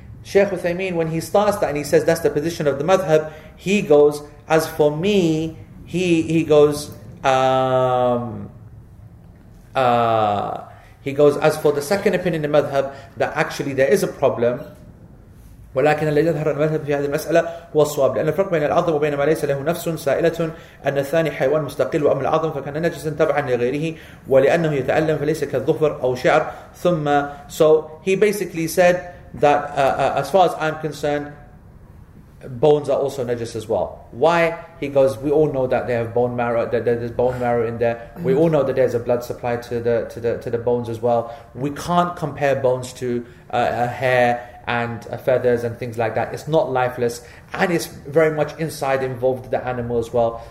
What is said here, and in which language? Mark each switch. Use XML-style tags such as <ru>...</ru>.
<en>Sheikh Uthaymeen, when he starts that and he says that's the position of the madhab, he goes, as for me, he goes, as for the second opinion in the madhab, that actually there is a problem.</en> <ar>ولكن الذي يظهر المذهب في هذه المسألة هو الصواب لأن الفرق بين العظم وبين ما ليس له نفس سائلة أن الثاني حيوان مستقل وأما العظم فكان نجسا تبعا لغيره ولأنه يتألم فليس كالظفر أو شعر ثم</ar> <en>so he basically said that as far as I'm concerned, bones are also najis as well. Why? He goes, we all know that they have bone marrow, that there's bone marrow in there. We all know that there's a blood supply to the bones as well. We can't compare bones to a hair and feathers and things like that. It's not lifeless, and it's very much inside involved the animal as well.</en>